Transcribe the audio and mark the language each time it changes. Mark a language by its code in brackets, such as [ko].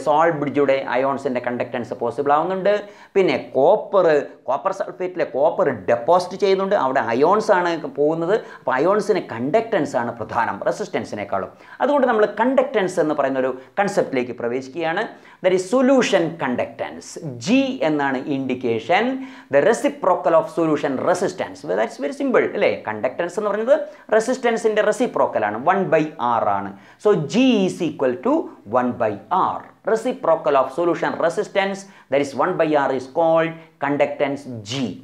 [ml] Salt ബ്രിഡ്ജിലൂടെ അയോൺസിൻ്റെ conductance possible ആകുന്നുണ്ട്. പിന്നെ copper സൾഫേറ്റിലെ copper deposit ചെയ്യുന്നുണ്ട്, അവിടെ അയോൺസ് ആണ് പോകുന്നത്. അപ്പോൾ അയോൺസിന് കണ്ടക്ടൻസ് ആണ് പ്രധാനം റെസിസ്റ്റൻസിനേക്കാളും. അതുകൊണ്ട് നമ്മൾ കണ്ടക്ടൻസ് എന്ന് പറയുന്നൊരു കൺസെപ്റ്റിലേക്ക് പ്രവേശിക്കുകയാണ്. [en] That is solution conductance. G [ml] എന്നാണ് indication. [en] The reciprocal of solution resistance. That's very simple അല്ലേ. [ml] കണ്ടക്ടൻസ് എന്ന് പറയുന്നത് റെസിസ്റ്റൻസിന്റെ റെസിപ്രോക്കൽ ആണ്, 1/R ആണ്. [en] So G is equal to 1/R. Reciprocal of solution resistance that's 1/R is called conductance G.